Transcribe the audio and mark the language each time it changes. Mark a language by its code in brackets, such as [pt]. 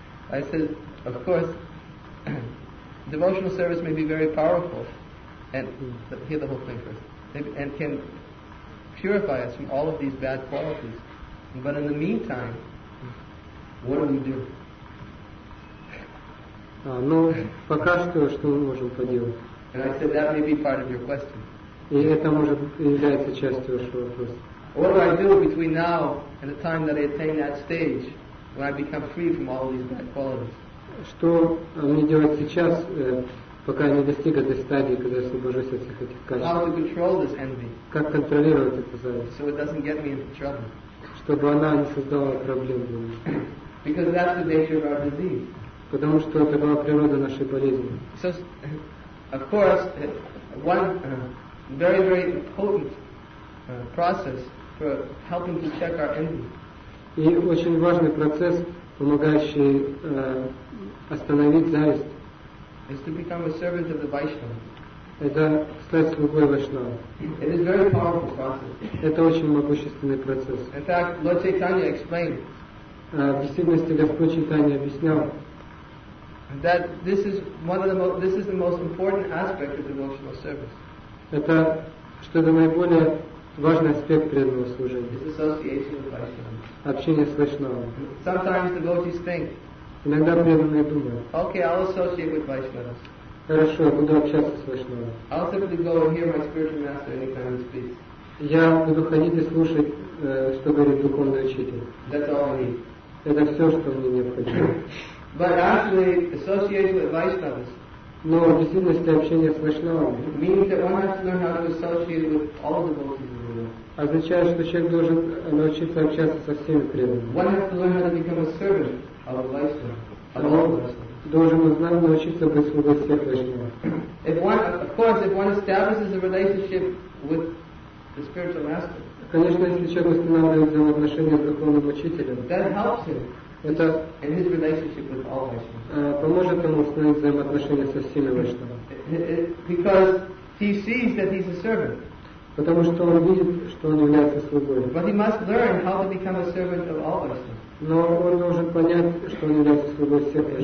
[en] I said, of course, devotional service may be very powerful, and hear the whole thing first, and can purify us from all of these bad qualities. But in the meantime, what do we do? [ru] Ну, пока что мы можем поделать? [en] And I said that may be part of your question. [ru] И это может являться частью вашего вопроса. [en] What do I do between now and the time that I attain that stage? When I become free from all these bad qualities. [ru] что мне делать сейчас, пока я не достиг этой стадии, когда я освобожусь от всех этих качеств? Как контролировать эту зависть? [en] So it doesn't get me into trouble. [ru] Чтобы она не создавала проблем для меня. [en] Because that's the nature of our disease. [ru] Потому что это была природа нашей болезни. [en] So, of course, one very, very potent process for helping to check our envy. [ru] И очень важный процесс, помогающий остановить зависть. [en] Is to become a servant of the Vaishnava. [ru] Это стать слугой Вайшнава. [en] It is very powerful process. [ru] Это очень могущественный процесс. [en] In fact, Lord Chaitanya explained. [ru] В действительности Господь Чайтанья объяснял. [en] That this is one of the this is the most important aspect of devotional service. [ru] Это что-то наиболее важный аспект преданного служения. [en] It's association with Vaishnava. [ru] Общение с Вайшнавом. [en] Sometimes devotees think. [ru] Иногда преданные думают. [en] Okay, I'll associate with Vaishnavas. [ru] Хорошо, буду общаться с Вайшнавом. [en] I'll simply go and hear my spiritual master anytime he speaks. [ru] Я буду ходить и слушать, что говорит духовный учитель. [en] That's all I need. [ru] Это все, что мне необходимо. [en] But actually, association with Vaishnavas. [ru] Но в действительности общение с Вайшнавами. [en] Means that one has to learn how to associate with all the devotees in the world. [ru] Означает, что человек должен научиться общаться со всеми преданными. [en] One has to learn how to become a servant of Vaishnava. Of all the Vaishnavas. [ru] Должен узнать, научиться быть слугой всех Вайшнава. [en] If one, of course, if one establishes a relationship with the spiritual master. [ru] Конечно, если человек устанавливает взаимоотношения с духовным учителем. [en] That helps him. [ru] Это [en] and his relationship with all Vaishnavas. [ru] Поможет ему установить взаимоотношения со всеми Вайшнавами. [en] Because he sees that he's a servant. [ru] Потому что он видит, что он является слугой. [en] But he must learn how to become a servant of all Vaishnavas. [ru] Но он должен понять, что он является слугой всех Вайшнавами.